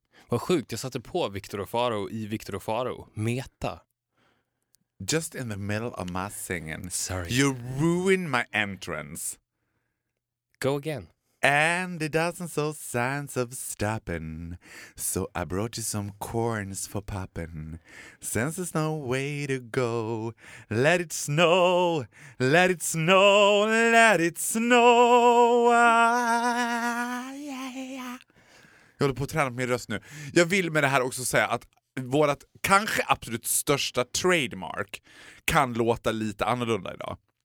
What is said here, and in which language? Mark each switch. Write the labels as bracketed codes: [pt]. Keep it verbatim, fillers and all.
[sv] Vad sjukt, jag satte på Victor och Pharaoh i Victor och Pharaoh. [en] Meta. Just in the middle of my singing. Sorry. You ruined my entrance. Go again. And it doesn't show signs of stopping, so I brought you some corns for popping. Since there's no way to go, let it snow, let it snow, let it snow. Ah, yeah, yeah. [sv] Jag håller på att träna på min röst nu. Jag vill med det här också säga att vårt kanske absolut största trademark kan låta lite annorlunda idag.